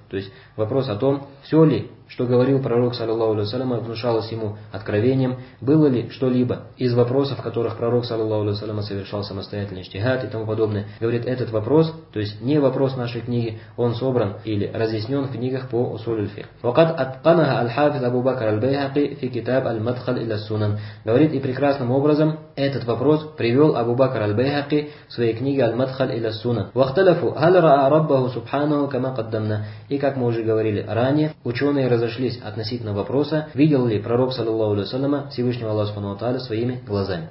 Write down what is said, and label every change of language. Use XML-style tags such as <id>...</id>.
<ru>То есть вопрос о том, все ли, что говорил пророк, саллаллаху алейхи ва саллям, внушалось ему откровением, было ли что-либо из вопросов, в которых пророк, саллаллаху алейхи ва саллям, совершал самостоятельный иджтихад и тому подобное. Говорит, этот вопрос, то есть не вопрос нашей книги, он собран или разъяснен в книгах по усуль аль-фикх.</ru> <ar>وقد اتقنها الحافظ ابو بكر البيهقي في كتاب المدخل الى السنن.</ar> <ru>Говорит, и прекрасным образом этот вопрос привел Абу Бакр аль-Байхаки в своей книге «Аль-Мадхаль иля Сунна».</ru> <ar>«Вахталафу, халра'а Раббаху Субханаху кама каддамна».</ar> <ru>И как мы уже говорили ранее, ученые разошлись относительно вопроса, видел ли пророк, саллиллаху алейхи салям, Всевышнего Аллаха Субхану Тааля своими глазами.</ru>